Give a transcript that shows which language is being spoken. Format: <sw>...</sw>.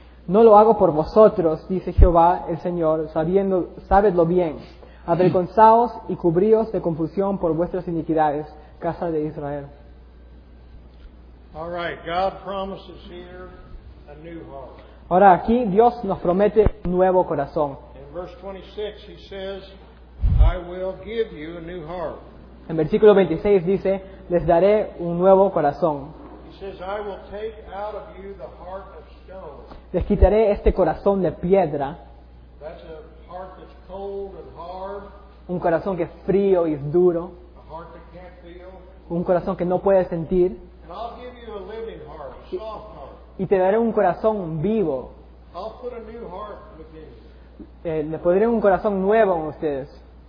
<es>No lo hago por vosotros, dice Jehová el Señor, sabedlo bien. Avergonzaos y cubríos de confusión por vuestras iniquidades, casa de Israel.</es> <en>All right, God promises here a new heart.</en> <es>Ahora aquí Dios nos promete un nuevo corazón.</es> <en>En verse 26 he says, I will give you a new heart.</en> <es>En versículo 26 dice, les daré un nuevo corazón.</es> <en>He says, I will take out of you the heart of stone.</en> <es>Les quitaré este corazón de piedra.</es> <en>That's a heart that's cold and hard.</en> <es>Un corazón que es frío y es duro.</es> <en>A heart that can't feel.</en> <es>Un corazón que no puede sentir.</es> <en>And I'll give you a living heart, a soft heart.</en> <es>Y te daré un corazón vivo.</es> <en>I'll put a new heart within you.</en> <es>Le pondré un corazón nuevo en ustedes.</es>